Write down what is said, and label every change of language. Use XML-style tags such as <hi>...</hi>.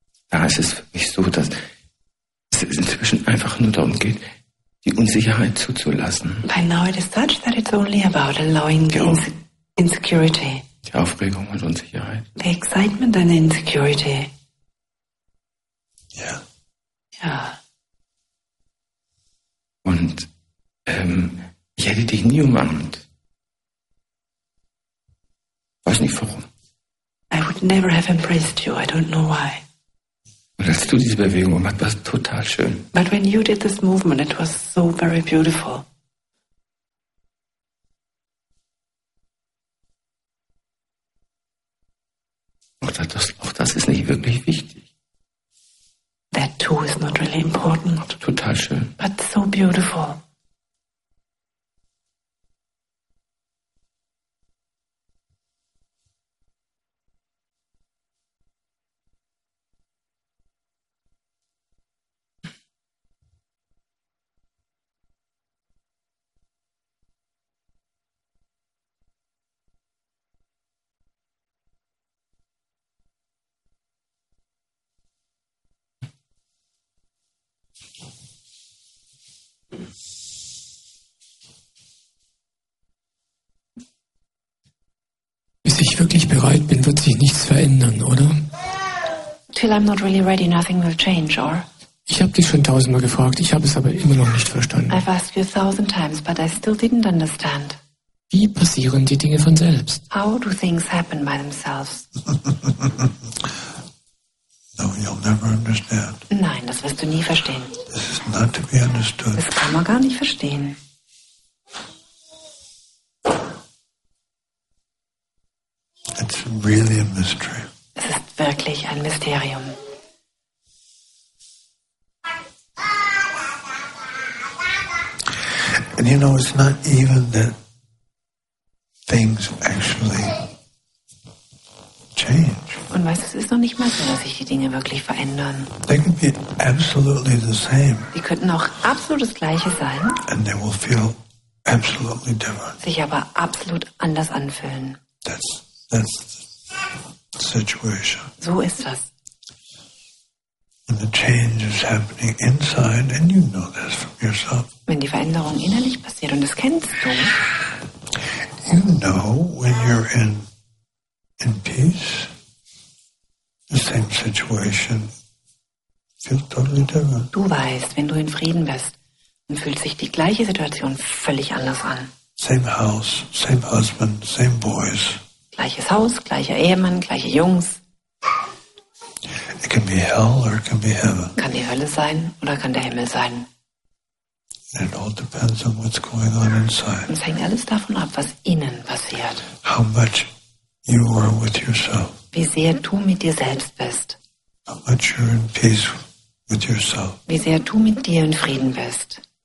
<de>Da ist es für mich so, dass es inzwischen einfach nur darum geht, die Unsicherheit zuzulassen.</de> <en>By now it is such that it's only about allowing the insecurity. Insecurity.</en> <de>Die Aufregung und Unsicherheit.</de> <en>The excitement and the insecurity.</en> <de>Ja. Ja. Und ich hätte dich nie umarmt. Weiß nicht warum.</de> <en>I would never have embraced you. I don't know why.</en> <de>Und als du diese Bewegung gemacht hast, war es total schön.</de> <en>But when you did this movement, it was so very beautiful.</en> <de>Auch das ist nicht wirklich wichtig.</de> <en>That too is not really important.</en> <de>Total schön.</de> <en>But so beautiful.</en> <de>Wirklich bereit bin, wird sich nichts verändern, oder?</de> <en>Till I'm not really ready, nothing will change, or?</en> <de>Ich habe dich schon tausendmal gefragt, ich habe es aber immer noch nicht verstanden.</de> <en>I've asked you a thousand times, but I still didn't understand.</en> <de>Wie passieren die Dinge von selbst?</de> <en>How do things happen by themselves? No, you'll never understand.</en> <de>Nein, das wirst du nie verstehen.</de> <en>This is not to be understood.</en> <de>Das kann man gar nicht verstehen.</de> <en>It's really a mystery.</en> <de>Es ist wirklich ein Mysterium.</de> <en>And you know, it's not even that things actually change.</en> <de>Und weißt, es ist noch nicht mal so, dass sich die Dinge wirklich verändern.</de> <en>They can be absolutely the same.</en> <de>Die könnten auch absolut das Gleiche sein.</de> <en>And they will feel absolutely different.</en> <de>Sich aber absolut anders anfühlen.</de> <en>That's the situation.</en> <de>So ist das.</de> <en>And the change is happening inside, and you know this from yourself.</en> <de>Wenn die Veränderung innerlich passiert, und das kennst du.</de> <en>You know when you're in peace, the same situation feels totally different.</en> <de>Du weißt, wenn du in Frieden bist, dann fühlt sich die gleiche Situation völlig anders an.</de> <en>Same house, same husband, same boys.</en> <de>Gleiches Haus, gleicher Ehemann, gleiche Jungs.</de> <en>It can be hell or it can be heaven.</en> <de>Kann die Hölle sein oder kann der Himmel sein?</de> <en>And it all depends on what's going on inside.</en> <de>Es hängt alles davon ab, was innen passiert.</de> <en>How much you are with yourself.</en> <de>Wie sehr du mit dir selbst bist.</de> <en>How much you're in peace with yourself.</en> <de>Wie sehr du mit dir in Frieden bist.</de>